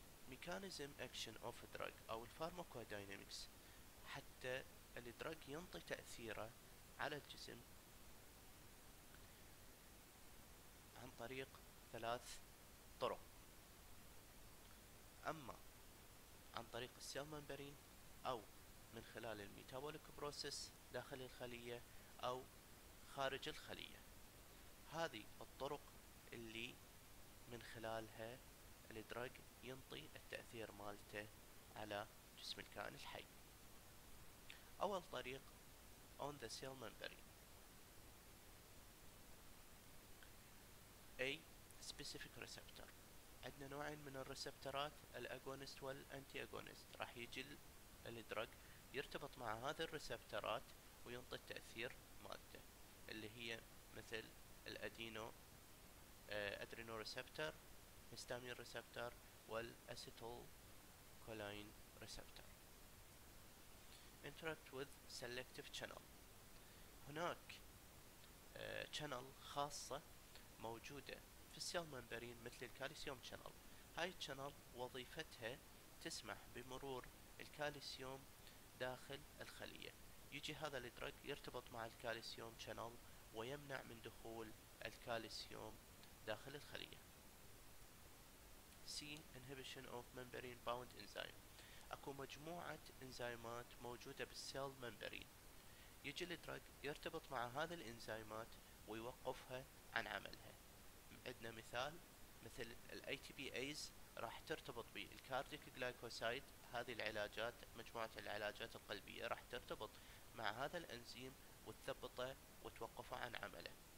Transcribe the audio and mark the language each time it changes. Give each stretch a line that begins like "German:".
English: mechanism action of drug
Arabic: او الفارماكوداينامكس، حتى الدراج ينطي تاثيره على الجسم عن طريق ثلاث طرق، اما عن طريق السيل ممبرين او من خلال
English: الميتابوليك بروسيس
Arabic: داخل الخلية أو خارج الخلية. هذه الطرق اللي من خلالها الدراج ينطي التأثير مالته على جسم الكائن الحي. أول طريق
English: on the cell membrane. A specific receptor.
Arabic: عندنا نوعين من الريسبترات الأجونست والأنتي أجونست. راح يجي الدراج يرتبط مع هذه الريسبترات وينطي التأثير مالته اللي هي مثل الأدينو أدرينو ريسبتر، هستامين ريسبتر، والأسيتول كولاين ريسبتر.
English: Interact with selective channel.
Arabic: هناك channel خاصة موجودة في السيل ممبرين مثل الكالسيوم channel. هاي channel وظيفتها تسمح بمرور الكالسيوم داخل الخلية. يجي هذا الدرج يرتبط مع الكالسيوم channel ويمنع من دخول الكالسيوم داخل الخلية.
English: C inhibition of membrane bound enzyme.
Arabic: اكو مجموعة انزيمات موجودة بالسيل ممبرين. يجي الدرج يرتبط مع هذه الانزيمات ويوقفها عن عملها. عندنا مثال مثل الـ ATPase راح ترتبط بالكارديك جلايكوسايد. هذه العلاجات مجموعة العلاجات القلبية راح ترتبط مع هذا الانزيم وتثبطه وتوقفه عن عمله.